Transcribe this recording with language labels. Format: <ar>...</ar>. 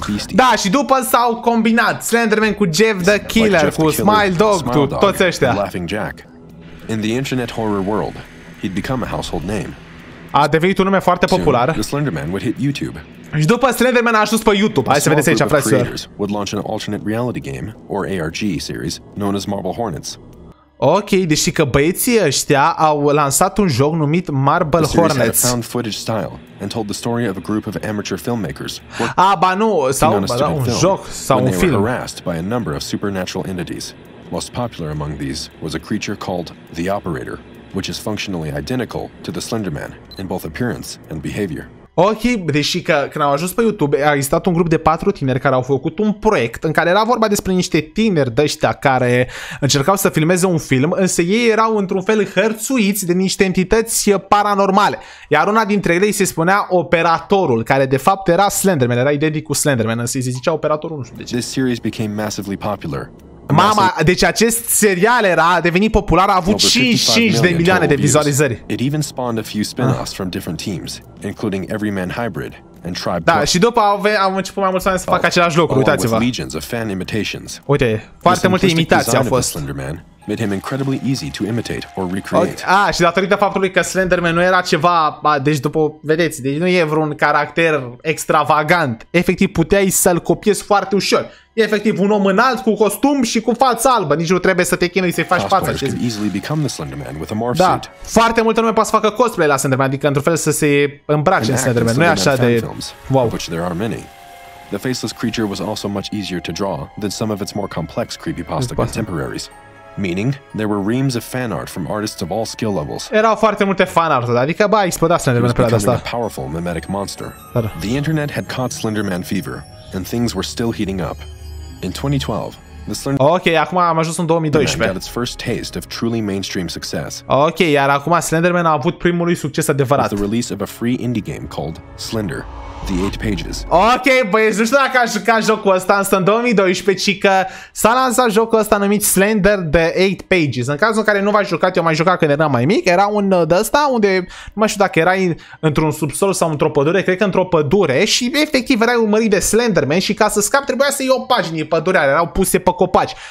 <ro>Da, și după s-au combinat Slenderman cu Jeff the Killer, cu Smile Dog, cu toți ăștia.</ro> <en>Laughing Jack. In the internet horror world, he'd become a household name.</en> <ro>A devenit un nume foarte popular.</ro> <en>Slenderman would hit YouTube.</en> <ro>Și după Slenderman a ajuns pe YouTube. Hai să vedeți aici, fraților.</ro> <en>Would launch an alternate reality game or ARG series known as Marble Hornets.</en> <ro>Ok, deși că băieții ăștia au lansat un joc numit Marble Hornets.</ro> <en>Found footage style and told the story of a group of amateur filmmakers.</en> <ro>Ah, ba nu, sau ba, un joc sau un film.</ro> <en>Harassed by a number of supernatural entities. Most popular among these was a creature called the Operator. which is functionally identical to the Slender Man in both appearance and behavior.</en> <ro>Ok, deși că când au ajuns pe YouTube, a existat un grup de 4 tineri care au făcut un proiect în care era vorba despre niște tineri de ăștia care încercau să filmeze un film, însă ei erau într-un fel hărțuiți de niște entități paranormale. Iar una dintre ele îi se spunea operatorul, care de fapt era Slenderman, era identic cu Slenderman, însă îi se zicea operatorul, nu știu de ce.</ro> <en>This series became massively popular.</en> <ro>Mama, deci acest serial era a devenit popular, a avut 55 de milioane de vizualizări.</ro> <en>It even spawned a few spin-offs from different teams, including Everyman Hybrid and Tribe.</en> <ro>Da, și după am început mai mulți oameni să facă același lucru, uitați-vă.</ro> <en>Legions of fan imitations.</en> <ro>Uite, foarte multe imitații au fost.</ro> <en>Made him incredibly easy to imitate or recreate. Okay.</en> <ro>Ah, și datorită faptului că Slenderman nu era ceva, deci după, vedeți, deci nu e vreun caracter extravagant. Efectiv puteai să-l copiezi foarte ușor. E efectiv un om înalt cu costum și cu fața albă. Nici nu trebuie să te chinui să-i faci fața.</ro> <en>Cosplayers can easily become the Slenderman with a morph</en> <ro>da.</ro> <en>Suit.</en> <ro>Foarte multă lume poate să facă cosplay la Slenderman, adică într-un fel să se îmbrace în Slenderman. Nu e așa de wow.</ro> <en>Which there are many. The faceless creature was also much easier to draw than some of its more complex creepypasta contemporaries. Meaning, there were reams of fan art from artists of all skill levels.</en> <ro>Erau foarte multe fan art, adică bă, exploda Slenderman pe asta.</ro> <en>A powerful mimetic monster.</en> <ro>Dar.</ro> <en>The internet had caught Slenderman fever, and things were still heating up. In 2012, the Slenderman.</en> <ro>Ok, acum am ajuns în 2012.</ro> <en>Got its first taste of truly mainstream success.</en> <ro>Ok, iar acum Slenderman a avut primul lui succes adevărat.</ro> <en>The release of a free indie game called Slender. The 8 pages.</en> <ro>Ok, băieți, nu știu dacă aș juca jocul ăsta, însă în 2012, ci că s-a lansat jocul ăsta numit Slender The 8 Pages. În cazul în care nu v-ați jucat, eu m-am jucat când eram mai mic, era un de ăsta unde, nu mai știu dacă erai într-un subsol sau într-o pădure, cred că într-o pădure, și efectiv erai urmărit de Slenderman și ca să scapi trebuia să iei o pagină din pădurea, erau puse pe copaci.</ro>